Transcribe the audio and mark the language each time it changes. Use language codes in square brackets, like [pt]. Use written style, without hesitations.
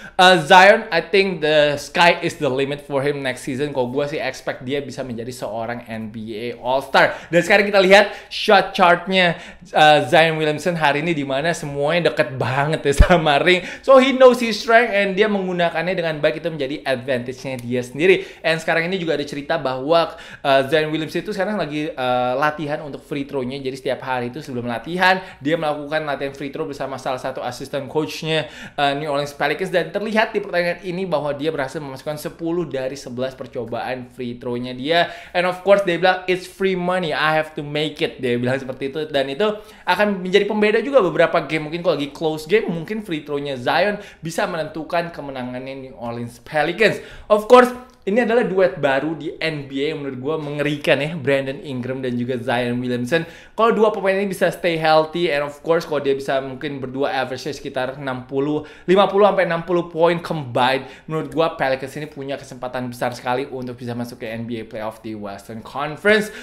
[en] Zion, I think the sky is the limit for him next season. [id] Kalau gue sih expect dia bisa menjadi seorang NBA All-Star. Dan sekarang kita lihat shot chart-nya Zion Williamson hari ini, dimana semuanya deket banget ya sama ring. So he knows his strength and dia menggunakannya dengan baik, itu menjadi advantage-nya dia sendiri. And sekarang ini juga ada cerita bahwa Zion Williams itu sekarang lagi latihan untuk free throw-nya. Jadi setiap hari itu sebelum latihan, dia melakukan latihan free throw bersama salah satu assistant coach-nya New Orleans Pelicans. Dan terlihat di pertandingan ini bahwa dia berhasil memasukkan 10 dari 11 percobaan free throw-nya dia. [en] And of course, dia bilang, it's free money, I have to make it. [id] Dia bilang seperti itu. Dan itu akan menjadi pembeda juga beberapa game. Mungkin kalau lagi close game, mungkin free throw-nya Zion bisa menentukan kemenangannya New Orleans Pelicans. Of course, ini adalah duet baru di NBA yang menurut gue mengerikan ya, Brandon Ingram dan juga Zion Williamson. Kalau dua pemain ini bisa stay healthy, and of course kalau dia bisa mungkin berdua average sekitar 50 sampai 60 poin combined, menurut gue Pelicans ini punya kesempatan besar sekali untuk bisa masuk ke NBA playoff di Western Conference.